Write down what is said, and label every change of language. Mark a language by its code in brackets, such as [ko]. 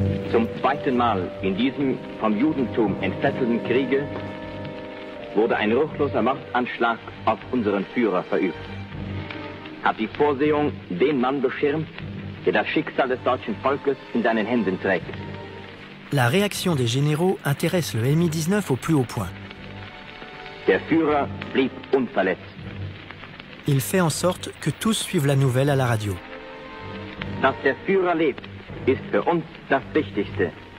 [de] Zum zweiten Mal in diesem vom Judentum entfesselten Kriege wurde ein ruchloser Mordanschlag auf unseren Führer verübt. Hat die Vorsehung den Mann beschirmt, der das Schicksal des deutschen Volkes in seinen Händen trägt. [fr] La réaction des généraux intéresse le MI-19 au plus haut point. [de] Der Führer blieb unverletzt. [fr] Il fait en sorte que tous suivent la nouvelle à la radio. [de] Dass der Führer lebt, ist für uns das Wichtigste.